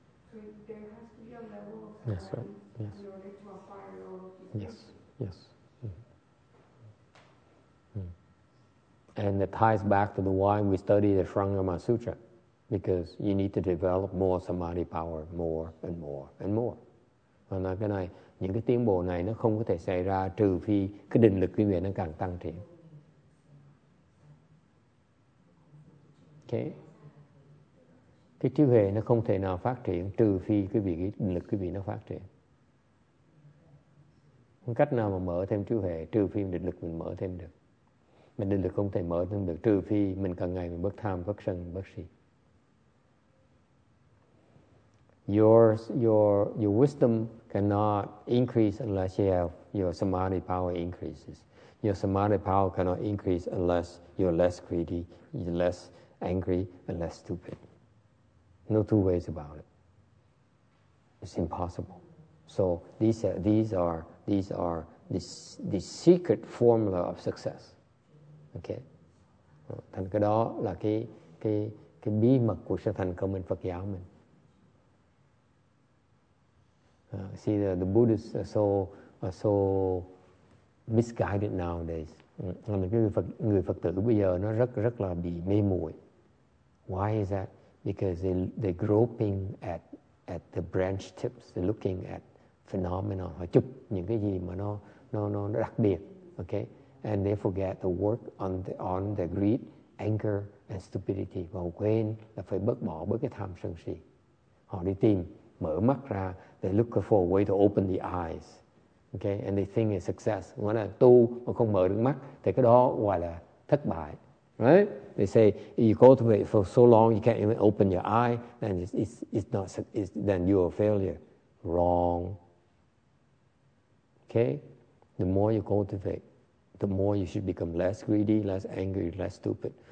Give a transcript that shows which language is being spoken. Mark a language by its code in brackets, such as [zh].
[en] So there has to be a level of samadhi, yes, right. Yes. In order to acquire all of these. Yes, yes. And it ties back to the why we study the Sharangama Sutra, because you need to develop more samadhi power, more and more and more. [vi] Và nói cái này, những cái tiến bộ này nó không có thể xảy ra trừ phi cái định lực quý vị nó càng tăng trưởng. Okay. Cái trí huệ nó không thể nào phát triển trừ phi cái vị định lực quý vị nó phát triển. Không cách nào mà mở thêm trí huệ trừ phi định lực mình mở thêm được. Mình định lực không thể mở thêm được trừ phi mình càng ngày mình bất tham, bất sân, bất si. [en] Your wisdom cannot increase unless you have your samadhi power increases. Your samadhi power cannot increase unless you're less greedy, you're less angry, and less stupid. No two ways about it. It's impossible. So these are the secret formula of success. Okay. [vi] Thành cái đó là cái bí mật của sự thành công bên Phật giáo mình. [en] See the Buddhists are so misguided nowadays. [vi] Người Phật tử bây giờ nó rất là bị mê muội. [en] Why is that? Because they're groping at the branch tips. They're looking at phenomena. [vi] Họ chụp những cái gì mà nó đặc biệt, okay? [en] And they forget to work on the greed, anger, and stupidity. [vi] Và họ quên là phải bớt bỏ bớt cái tham sân si. Họ đi tìm, mở mắt ra. [en] They look for a way to open the eyes, okay? And they think it's success. [vi] Nghĩa là tu mà không mở được mắt, thì cái đó gọi là thất bại. [en] Right? They say you cultivate for so long you can't even open your eye, then it's not then you're a failure. Wrong. Okay? The more you cultivate, the more you should become less greedy, less angry, less stupid.